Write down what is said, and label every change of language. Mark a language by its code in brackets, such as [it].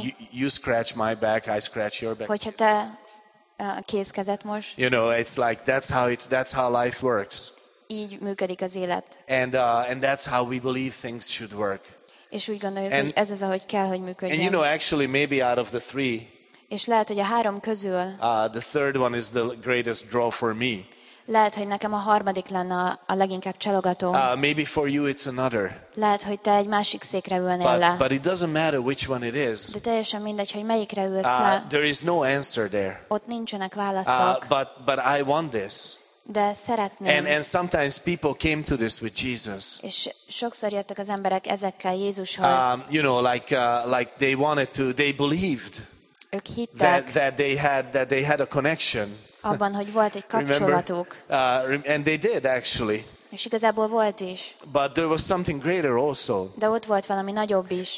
[en] You scratch my back, I scratch your back. [hu] Hogyha te kézkezet most. [en] You know, it's like that's how life works. [hu] Így működik az élet. [en] And that's how we believe things should work. [hu] És úgy gondoljuk, hogy ez az, ahogy kell, hogy működjön. [en] And you know, actually, maybe out of the three. [hu] És lehet, hogy a három közül. [en] The third one is the greatest draw for me. [hu] Lehet, hogy nekem a harmadik lenne a leginkább csalogató. [en] Maybe for you it's another. [hu] Lehet, hogy te egy másik székre ülnél le. [en] But it doesn't matter which one it is. [hu] De teljesen mindegy, hogy melyikre ülsz le. [en] There is no answer there. [hu] Ott nincsenek válaszok. [en] But I want this. [hu] De szeretném. [en] And sometimes people came to this with Jesus. [hu] És sokszor jöttek az emberek ezekkel Jézushoz. [en] You know, like they wanted to, they believed. [hu] Ők hittek. [en] That they had a connection. [hu] Abban, hogy volt egy kapcsolatuk. [en] And they did, actually. [hu] És igazából volt is. [en] But there was something greater also. [hu] De ott volt valami nagyobb is.